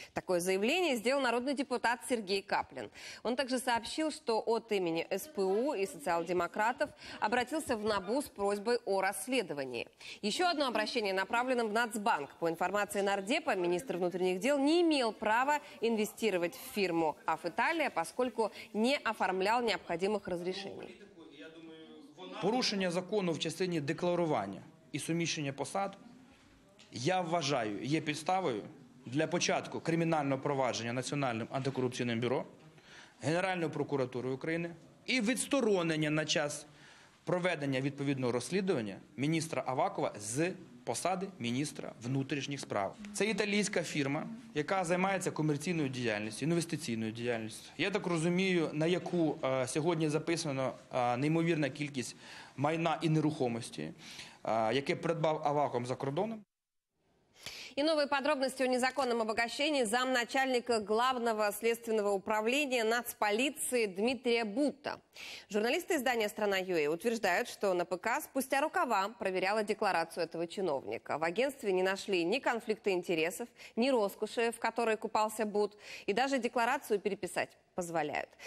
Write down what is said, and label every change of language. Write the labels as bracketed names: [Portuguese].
[Russian] Такое заявление сделал народный депутат Сергей Каплин. Он также сообщил, что от имени СПУ и социал-демократов обратился в НАБУ с просьбой о расследовании. Еще одно обращение направлено в Нацбанк. По информации нардепа, министр внутренних дел не имел права инвестировать в фирму «АВ Италия», поскольку не оформлял необходимых разрешений. [Ukrainian] Порушення закону в частині декларування і суміщення посад, я вважаю, є підставою для початку кримінального провадження Національним антикорупційним бюро, Генеральною прокуратурою України і відсторонення на час проведення відповідного розслідування міністра Авакова з посади міністра внутрішніх справ. Це італійська фірма, яка займається комерційною діяльністю, інвестиційною діяльністю. Я так розумію, на яку сьогодні записано неймовірна кількість майна і нерухомості, яке придбав Аваком за кордоном. [Russian] И новые подробности о незаконном обогащении замначальника главного следственного управления нацполиции Дмитрия Бутта. Журналисты издания «Страна ЮЭ» утверждают, что НПК спустя рукава проверяла декларацию этого чиновника. В агентстве не нашли ни конфликта интересов, ни роскоши, в которой купался Бут, и даже декларацию переписать позволяют.